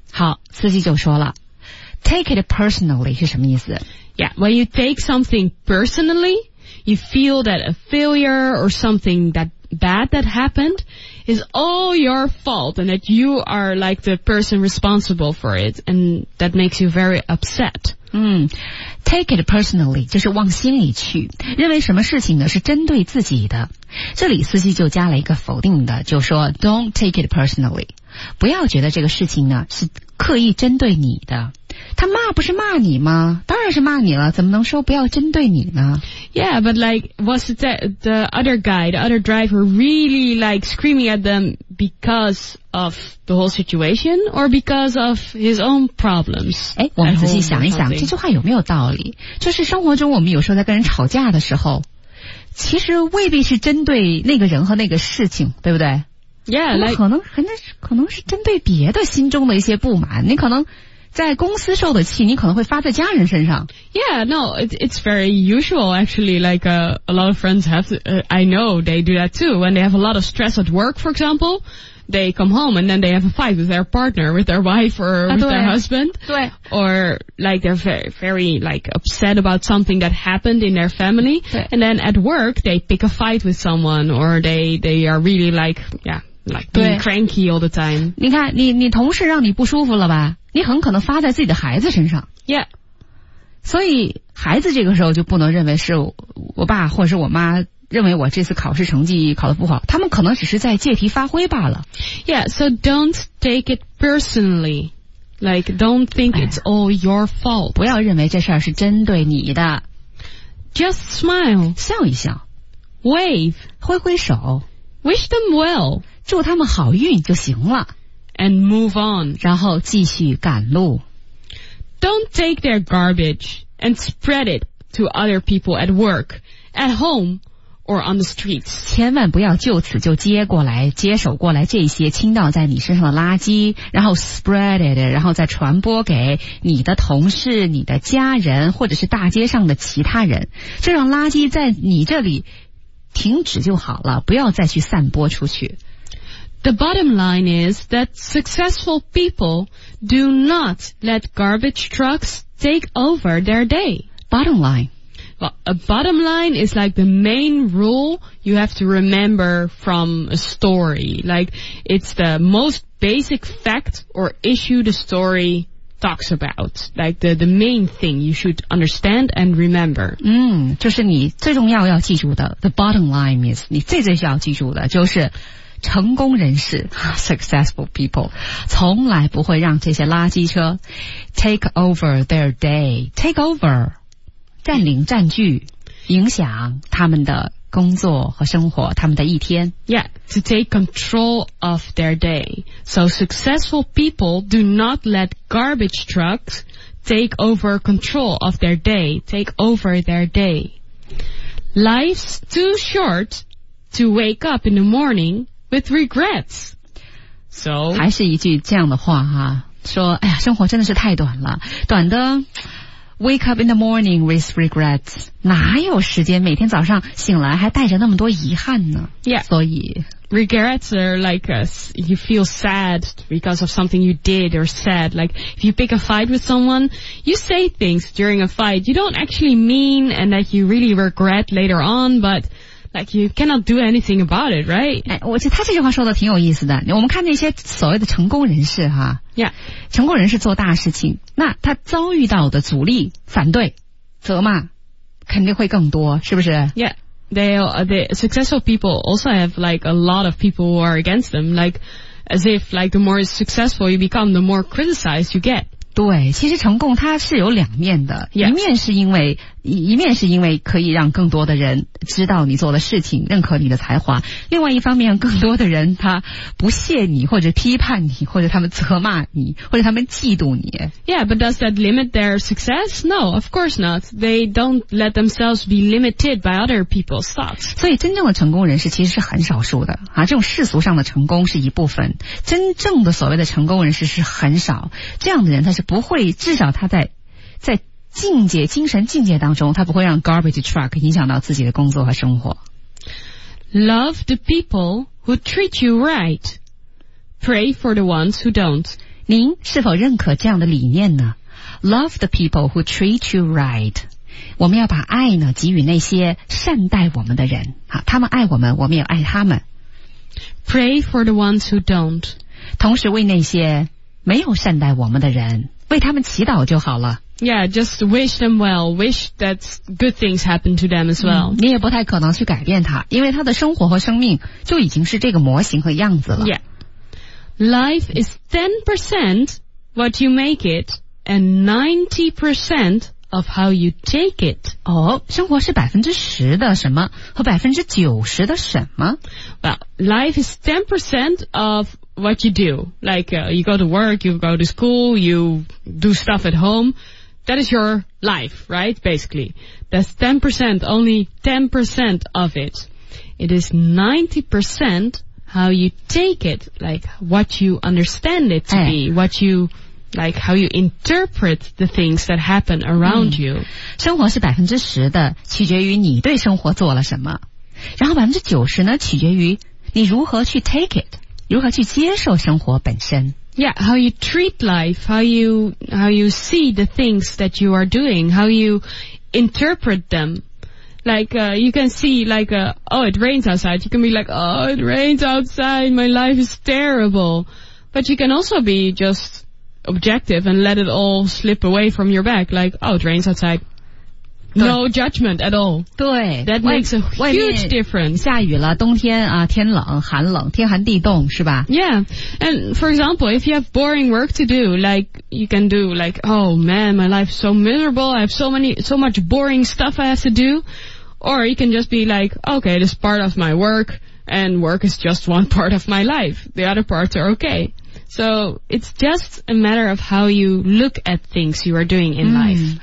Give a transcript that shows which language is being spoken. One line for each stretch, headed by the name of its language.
Chinese: 好，司机就说了 ，
English: take it personally
Chinese: 是什么意思
English: ？Yeah, when you take something personally, you feel that a failure or something that bad that happened. Is all your fault and that you are like the person responsible for it and that makes you very upset. Take it personally,
Chinese: 就是往心里去认为什么事情呢是针对自己的。这里司机就加了一个否定的就说
English: don't take it personally.
Chinese: 不要觉得这个事情呢是刻意针对你的。他骂不是骂你吗当然是骂你了怎么能说不要针对你呢
English: Yeah, but like, was the other guy, the other driver really like screaming at them because of the whole situation or because of his own problems?
Chinese: 诶我们仔细想一想这句话有没有道理就是生活中我们有时候在跟人吵架的时候其实未必是针对那个人和那个事情对不对
English: Yeah, like,
Chinese: 可能是针对别的心中的一些不满你可能在公司受的气你可能会发在家人身上。
English: Yeah, no, it's very usual actually, like a lot of friends have, I know they do that too. When they have a lot of stress at work, for example, they come home and then they have a fight with their partner, with their wife or with their husband.
Chinese: 对。
English: Or like they're very, very like upset about something that happened in their family.
Chinese: 对。
English: And then at work, they pick a fight with someone or they are really like, yeah. Like being cranky all the time.
Chinese: 你看，你同事让你不舒服了吧？你很可能发在自己的孩子身上。
English: Yeah.
Chinese: 所以孩子这个时候就不能认为是我爸或者是我妈认为我这次考试成绩考得不好，他们可能只是在借题发挥罢了。
English: Yeah. So don't take it personally. Like don't think it's all your fault.
Chinese: 不要认为这事儿是针对你的。
English: Just smile.
Chinese: 笑一笑。
English: Wave.
Chinese: 挥挥手。
English: Wish them well.
Chinese: 祝他们好运就行了
English: And move on
Chinese: 然后继续赶路
English: Don't take their garbage and spread it to other people at work, at home, or on the streets
Chinese: 千万不要就此就接手过来这些倾倒在你身上的垃圾然后
English: spread it
Chinese: 然后再传播给你的同事你的家人或者是大街上的其他人这让垃圾在你这里停止就好了不要再去散播出去
English: The bottom line is that successful people do not let garbage trucks take over their day. Bottom line. Well, a bottom line is like the main rule you have to remember from a story. Like, it's the most basic fact or issue the story talks about. Like, the main thing you should understand and remember.
Chinese: 就是你最重要要记住的
English: The bottom line is,
Chinese: 你最最需要记住的就是成功人士
English: successful people
Chinese: 从来不会让这些垃圾车
English: take over their day take over
Chinese: 占领占据影响他们的工作和生活他们的一天
English: Yeah, to take control of their day So successful people do not let garbage trucks take over control of their day take over their day Life's too short to wake up in the morningwith regrets. So,
Chinese: 还是一句这样的话哈、啊、说哎呀生活真的是太短了短的
English: wake up in the morning with regrets.
Chinese: 哪有时间每天早上醒来还带着那么多遗憾呢
English: Yeah.
Chinese: 所以
English: Regrets are like you feel sad because of something you did or said. Like if you pick a fight with someone, you say things during a fight you don't actually mean and that you really regret later on, butLike, you cannot do anything about it, right?
Chinese: 我觉得他这句话说的挺有意思的。我们看那些所谓的成功人士哈。
English: Yeah.
Chinese: 成功人士做大事情，那他遭遇到的阻力、反对、责骂，肯定会更多，是不是？
English: Yeah. The successful people also have like a lot of people who are against them. Like, as if like the more successful you become, the more criticized you get.
Chinese: 对其实成功它是有两面的、
English: yes.
Chinese: 一面是因为可以让更多的人知道你做的事情认可你的才华另外一方面更多的人他不屑你或者批判你或者他们责骂你或者他们嫉妒你
English: Yeah, but does that limit their success? No, of course not. They don't let themselves be limited by other people's thoughts.
Chinese: 所以真正的成功人士其实是很少数的、啊、这种世俗上的成功是一部分真正的所谓的成功人士是很少这样的人他是不会至少他在境界精神境界当中他不会让
English: garbage truck
Chinese: 影响到自己的工作和生活
English: Love the people who treat you right Pray for the ones who don't
Chinese: 您是否认可这样的理念呢
English: Love the people who treat you right
Chinese: 我们要把爱呢给予那些善待我们的人他们爱我们我们也爱他们
English: Pray for the ones who don't
Chinese: 同时为那些没有善待我们的人为他们祈祷就好了
English: Yeah, just wish them well Wish that good things happen to them as well、
Chinese: 你也不太可能去改变他因为他的生活和生命就已经是这个模型和样子了
English: Yeah Life is 10% what you make it And 90% of how you take it
Chinese: 哦、oh, 生活是10%的什么和90%的什么
English: Well, life is 10% ofWhat you do, like、you go to work, you go to school, you do stuff at home. That is your life, right? Basically, that's 10%, only 10% of it. It is 90% how you take it, like what you understand it to、hey. be, what you like how you interpret the things that happen around you.
Chinese: 生活是百分之十的取决于你对生活做了什么，然后百分之九十呢取决于你如何去
English: take it，
Chinese: 如何去接受生活本身。
English: Yeah, how you treat life, how you see the things that you are doing, how you interpret them. Like, you can see, like, oh, it rains outside. You can be like, oh, it rains outside. My life is terrible. But you can also be just objective and let it all slip away from your back. Like, oh, it rains outside. No judgment at all.
Chinese: 对
English: That makes a huge difference.
Chinese: 下雨了，冬天啊，天冷，寒冷，天寒地冻，是吧？
English: Yeah. And for example, if you have boring work to do, like, you can do like, oh man, my life is so miserable. I have so much boring stuff I have to do. Or you can just be like, okay, this is part of my work, and work is just one part of my life. The other parts are okay. So, it's just a matter of how you look at things you are doing in life.